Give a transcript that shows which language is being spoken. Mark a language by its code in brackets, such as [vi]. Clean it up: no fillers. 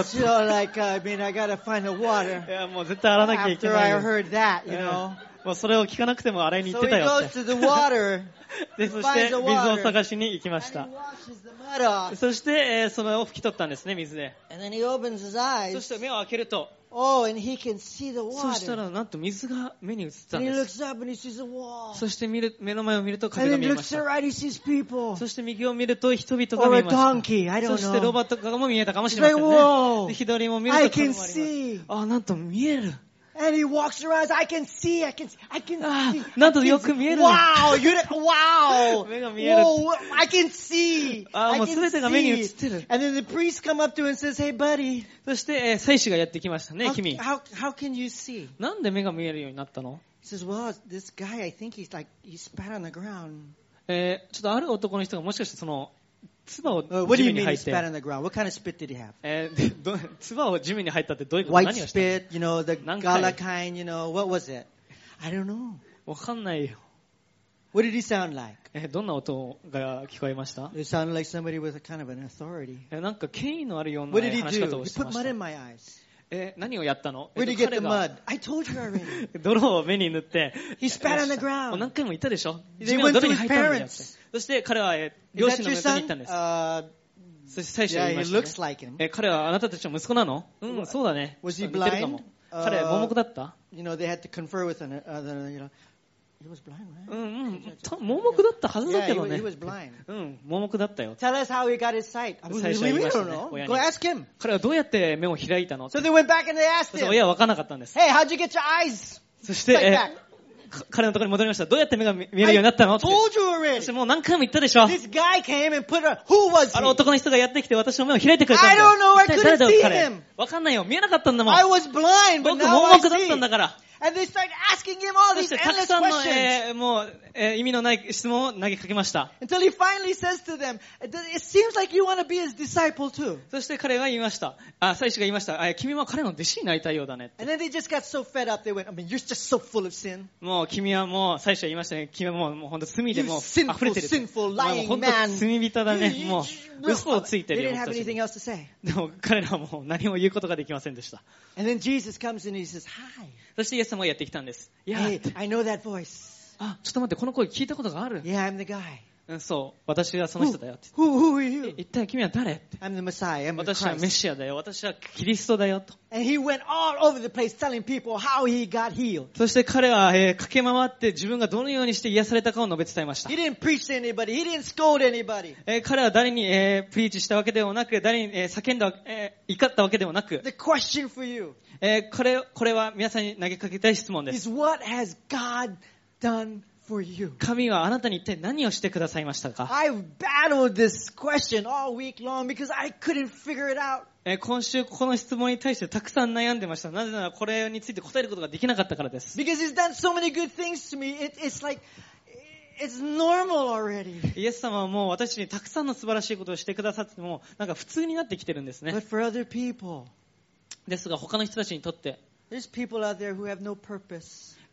[en] So like, I mean, I gotta find the water. [ja] いや、もう絶対洗わなきゃいけない。 [en] After I heard that, you know. [ja] もうそれを聞かなくても洗いに行ってたよって。 [en] So he goes to the water. [ja] で、そして水を探しに行きました。そして、それを拭き取ったんですね、水で。 [en] And then he opens his eyes. [ja] そして目を開けると。 [en] Oh, and he can see the water. [ja] そしたらなんと水が目に映ったんです。 [en] And he looks up and he sees a wall. [ja] そして見る目の前を見ると壁が見えました。 [en] And he looks right, he sees people. [ja] そして右を見ると人々が見えました。 [en] Or a donkey, I don't know. [ja] そしてロバとかも見えたかもしれませんね。左も見ると [en] I can see. [ja] あ、なんと見える。 [en] And he walks around. I can see. [ja] なんとよく見える。 [en] Wow, you wow. [ja] 目が見える。 [en] I can see. [ja] もうすべてが目に映ってる。 [en] And then the priest come up to him and says, "Hey, buddy." [ja] そして祭司がやってきましたね、君。 [en] How can you see? [ja] なんで目が見えるようになったの？ [en] He says, "Well, this guy, I think he's like he spat on the ground." [ja] ちょっとある男の人がもしかしてその唾を地面に入って。 [en] What do you mean? What kind of spit did he have? [ja] 唾を地面に入ったってどういうこと？何をした [en] ？White spit, you know, the gala kind, you know, what was it? I don't know. [ja] わかんないよ。 [en] What did he sound like? [ja] どんな音が聞こえました？ [en] It sounded like somebody with a kind of an authority. [ja] なんか権威のあるような話し方をしてました。 [en] What did he do? He put mud in my eyes. [ja] 何をやったの？ [en] Where did he get the mud? I told you already. [ja] 泥を目に塗って。 [en] He spat on the ground. [ja] 何回も言ったでしょ？地面に泥に入ったんだよって。そして彼は両親の元に行ったんです。そして最初は言いましたね。彼はあなたたちの息子なの？うん、そうだね。 [en] Was he blind? [ja] 彼は盲目だった？ [en] You know, they had to confer with an other, you know. [ja] うん、盲目だったはずだけどね。 [en] Yeah, he was blind. [ja] うん、盲目だったよ。 [en] Tell us how he got his sight. Go ask him. [ja] 彼はどうやって目を開いたの？ [en] So they went back and they asked him. [ja] 親は分からなかったんです。 [en] Hey, how'd you get your eyes? [ja] そして、彼のところに戻りました。どうやって目が見えるようになったの？ [en] I told you already. [ja] もう何回も言ったでしょ。 [en] This guy came and put a, who was he? [ja] あの男の人がやってきて私の目を開いてくれたんだよ。 [en] I don't know, I couldn't see him. [ja] 分かんないよ。見えなかったんだもん。 [en] I was blind, but now I see. [ja] 僕盲目だったんだから。 [en] And they start asking him all these endless questions. [ja] そしてたくさんの、もう、意味のない質問を投げかけました。 [en] Until he finally says to them, "It seems like you want to be his disciple too." [ja] そして彼が言いました。あ、祭司が言いました。あ、君も彼の弟子になりたいようだね。 [en] And then they just got so fed up. They went, "I mean, you're just so full of sin." [ja] もう君はもう祭司は言いましたね。君はもう本当罪でもう溢れてる。 [en] Sinful, lying man. [ja] もう本当罪人だね。もう嘘をついてるよ。 [en] They didn't have anything else to say. [ja] でも彼らはもう何も言うことができませんでした。 [en] And then Jesus comes and he says, "Hi." [ja] そしてイエス様がやってきたんです。 [en] Yeah. Hey, I know that voice. [ja] あ、ちょっと待って、この声聞いたことがある。 [en] Yeah, I'm the guy. [ja] そう、私はその人だよって。 [en] Who are you? [ja] 一体君は誰って。 [en] I'm the Messiah. I'm the Christ. [ja] 私はメシアだよ。私はキリストだよと。 [en] And he went all over the place telling people how he got healed. [ja] そして彼は、駆け回って自分がどのようにして癒されたかを述べ伝えました。 [en] He didn't preach to anybody. He didn't scold anybody. [ja] 彼は誰に、プリーチしたわけでもなく、誰に、叫んだ、怒ったわけでもなく。 [en] The question for you. [ja] これは皆さんに投げかけたい質問です。 [en] Is what has God done? [ja] 神はあなたに一体何をしてくださいましたか？ [en] I've battled this question all week long because I couldn't figure it out. [ja] 今週この質問に対してたくさん悩んでました。なぜならこれについて答えることができなかったからです。 [en] Because he's done so many good things to me, it's like it's normal already. [ja] イエス様はもう私にたくさんの素晴らしいことをしてくださっても、なんか普通になってきてるんですね。 [en] But for other people, [ja] ですが他の人たちにとって、 [en] there's people out there who have no purpose.